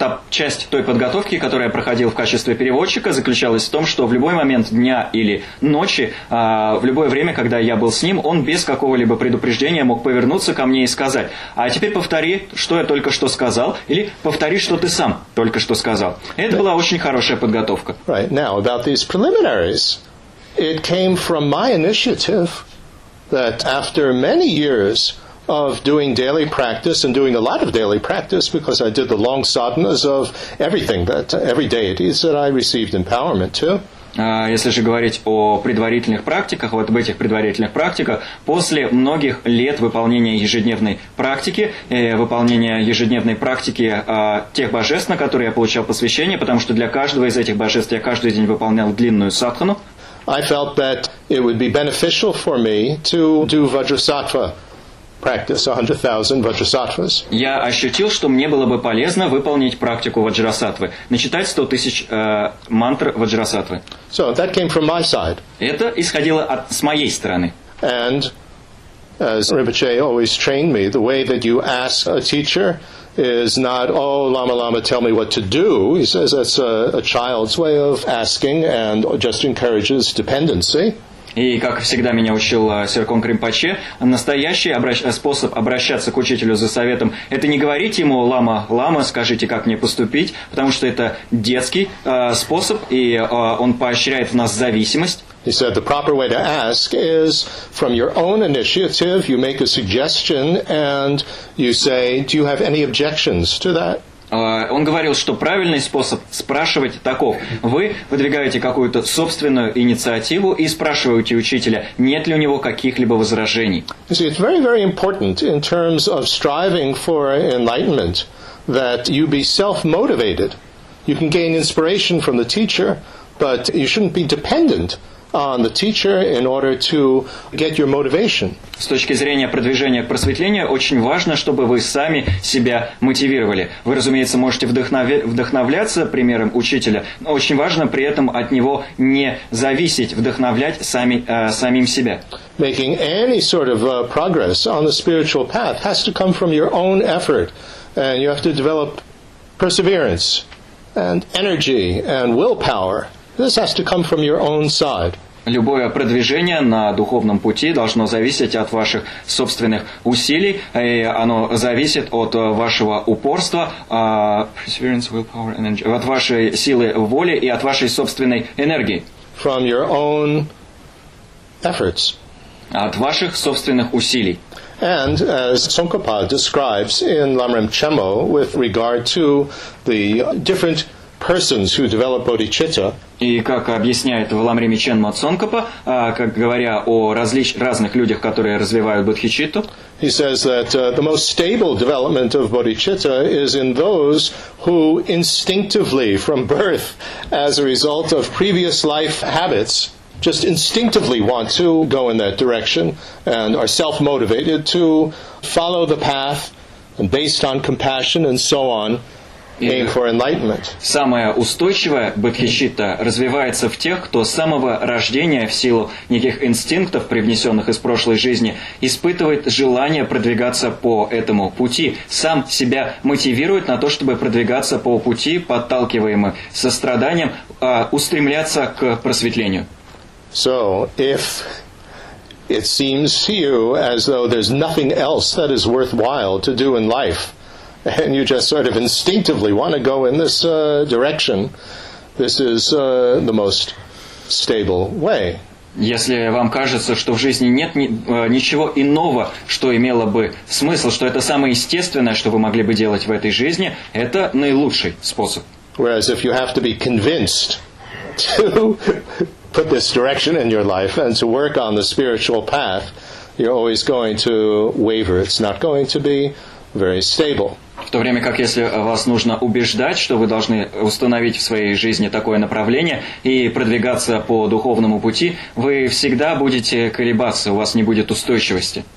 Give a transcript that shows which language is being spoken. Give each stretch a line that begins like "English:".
Russian: Часть той подготовки, которую я проходил в качестве переводчика, заключалась в том, что в любой момент дня или ночи, в любое время, когда я был с ним, он без какого-либо предупреждения мог повернуться ко мне и сказать: «А теперь повтори, что я только что сказал», или «Повтори, что ты сам только что сказал». Это была очень хорошая подготовка.
English: Right. Now, about these preliminaries, it came from my initiative that after many years of doing daily practice and doing a lot of daily practice, because I did the long sadhanas of everything, that every deities that I received empowerment to.
Russian: Если же говорить о предварительных практиках, вот об этих предварительных практиках, после многих лет выполнения ежедневной практики, выполнения ежедневной практики тех божеств, на которые я получал посвящение, потому что для каждого из этих божеств я каждый день выполнял длинную садхану,
English: I felt that it would be beneficial for me to do vajrasattva. Practice 100,000 vajrasattvas.
Russian: Я ощутил, что мне было бы полезно выполнить практику ваджрасаттвы, начитать 100,000 мантр ваджрасаттвы.
English: So that came from my side.
Russian: Это исходило от с моей стороны.
English: And as Rinpoche always trained me, the way that you ask a teacher is not, oh, Lama Lama, tell me what to do. He says that's a child's way of asking and just encourages dependency.
Russian: И, как всегда меня учил Серконг Ринпоче, настоящий способ обращаться к учителю за советом – это не говорить ему «Лама, лама, скажите, как мне поступить», потому что это детский способ, и он поощряет в нас зависимость.
English: He said the proper way to ask is from your own initiative, you make a suggestion, and you say, do you have any objections to that?
Russian: Он говорил, что правильный способ спрашивать таков. Вы выдвигаете какую-то собственную инициативу и спрашиваете учителя, нет ли у него каких-либо возражений.
English: You see, it's very, very important in terms of striving for enlightenment that you be self-motivated. You can gain inspiration from the teacher, but you shouldn't be dependent on the teacher in order to get your motivation.
Russian: С точки зрения продвижения к просветлению, очень важно, чтобы вы сами себя мотивировали. Вы, разумеется, можете вдохновляться примером учителя, но очень важно при этом от него не зависеть, вдохновлять самим себя.
English: Making any sort of progress on the spiritual path has to come from your own effort, and you have to develop perseverance and energy and willpower. This has to come from your own side.
Russian: Любое продвижение на духовном пути должно зависеть от ваших собственных усилий, и оно зависит от вашего упорства,
English: perseverance, willpower, energy,
Russian: от вашей силы воли и от вашей собственной энергии.
English: From your own efforts.
Russian: От ваших собственных усилий.
English: And as Tsongkhapa describes in Lamrim Chemo with regard to the different persons who develop bodhicitta.
Russian: И как объясняет в Ламриме Ченмо Цонкопа, как говоря о разных людях, которые развивают бодхичитту.
English: He says that the most stable development of bodhicitta is in those who instinctively from birth as a result of previous life habits just instinctively want to go in that direction and are self-motivated to follow the path and based on compassion and so on. Aim for enlightenment.
Russian: Самая устойчивая бодхичитта развивается в тех, кто с самого рождения в силу неких инстинктов, привнесенных из прошлой жизни, испытывает желание продвигаться по этому пути, сам себя мотивирует на то, чтобы продвигаться по пути, подталкиваемый состраданием, устремляться к просветлению.
English: So, if it seems to you as though there's nothing else that is worthwhile to do in life, and you just sort of instinctively want to go in this direction, this is the most stable way.
Russian: Если вам кажется, что в жизни нет ничего иного, что имело бы смысл, что это самое естественное, что вы могли бы делать в этой жизни, это наилучший способ.
English: Whereas if you have to be convinced to put this direction in your life and to work on the spiritual path, you're always going to waver. It's not going to be very stable.
Russian: В то время как если вас нужно убеждать, что вы должны установить в своей жизни такое направление и продвигаться по духовному пути, вы всегда будете колебаться, у вас не будет устойчивости.